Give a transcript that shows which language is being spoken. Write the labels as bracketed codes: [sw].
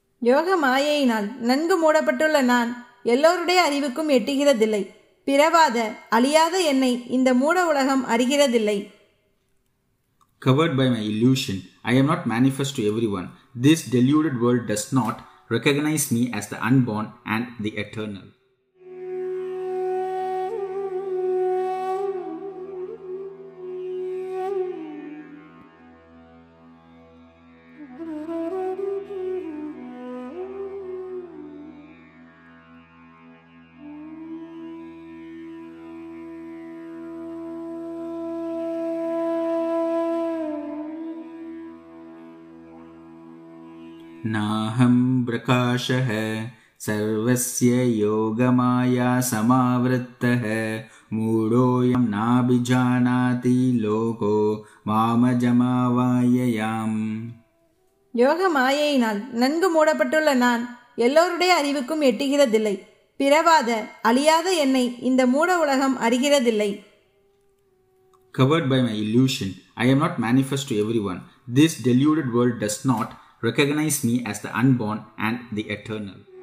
[ta] யோகமாயையினால் நன்கு மூடப்பட்டுள்ள நான் எல்லோருடைய அறிவுக்கும் எட்டுகிறதில்லை. பிறவாத அழியாத என்னை இந்த மூட உலகம் அறிகிறதில்லை. [en] Covered by my illusion, I am not manifest to everyone. This deluded world does not recognize me as the unborn and the eternal. [sa] नाहं प्रकाशः सर्वस्य योगमाया समावृत्तः मूढोऽयं नाभिजानाति लोको मामजमावाययाम्। [ta] யோகமாயையினால் நன்கு மூடப்பட்டுள்ள நான் எல்லோருடைய அறிவுக்கும் எட்டுகிறதில்லை. பிறவாத அழியாத என்னை இந்த மூட உலகம் அறிகிறதில்லை. [en] Covered by my illusion, I am not manifest to everyone. This deluded world does not recognize me as the unborn and the eternal.